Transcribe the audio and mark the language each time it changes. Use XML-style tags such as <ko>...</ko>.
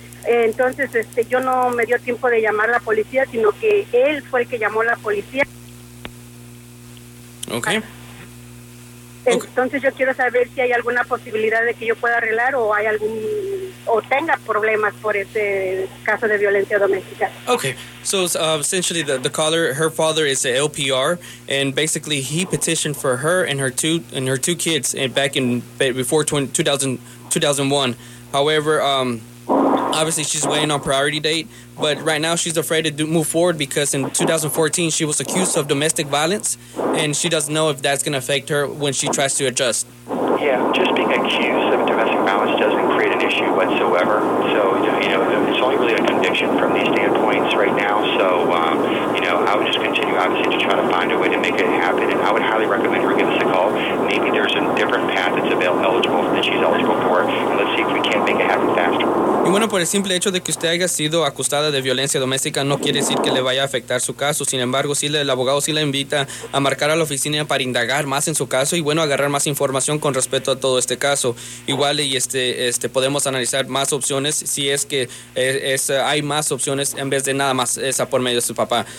<es>Entonces, yo no me dio tiempo de llamar a la policía, sino que él fue el que llamó a la policía.</es> <en>Okay.</en> <es>Entonces, yo quiero saber si hay alguna posibilidad de que yo pueda arreglar o hay algún o tenga problemas por ese caso de violencia doméstica.</es> <en>Okay. So essentially, the caller, her father is a LPR, and basically he petitioned for her and her two kids back in before 2001. However, obviously, she's waiting on priority date, but right now she's afraid to move forward because in 2014 she was accused of domestic violence, and she doesn't know if that's going to affect her when she tries to adjust. Yeah, just being accused of domestic violence doesn't create an issue whatsoever. So, you know, it's only really a conviction from these standpoints right now. So, you know, I would just continue, obviously, to try to find a way to make it happen, and I would highly recommend her give us a call. Maybe there's a different path that's eligible that she's eligible for, and let's see if we can't make it happen faster.</en> <es>Y bueno, por el simple hecho de que usted haya sido acusada de violencia doméstica no quiere decir que le vaya a afectar su caso. Sin embargo, el abogado sí la invita a marcar a la oficina para indagar más en su caso y, bueno, agarrar más información con respecto a todo este caso. Igual y podemos analizar más opciones si es que hay más opciones en vez de nada más esa por medio de su papá.</es>